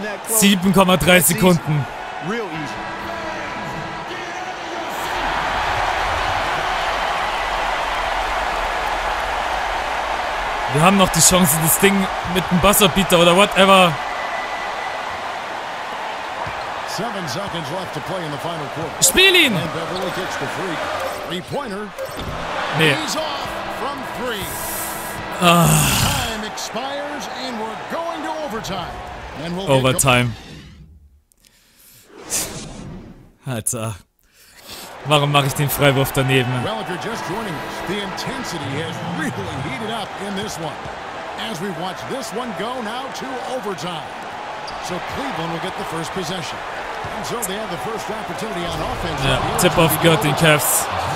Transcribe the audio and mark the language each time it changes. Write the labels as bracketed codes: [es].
[de] 7,3 Sekunden. Wir haben noch die Chance, das Ding mit dem Buzzerbeater oder whatever. [en] 7 seconds left to play in the final quarter. [de] Spiel ihn! [en] And Beverly gets the free. Three-pointer. [de] Nee. [en] He's off from three. Time expires and we're going to overtime. And we'll overtime. [de] Alter. Warum mache ich den Freiwurf daneben? [en] Well, if you're just joining us, the intensity has really heated up in this one. As we watch this one go now to overtime. So Cleveland will get the first possession. [de] Ja, Tip-Off gehört den Cavs.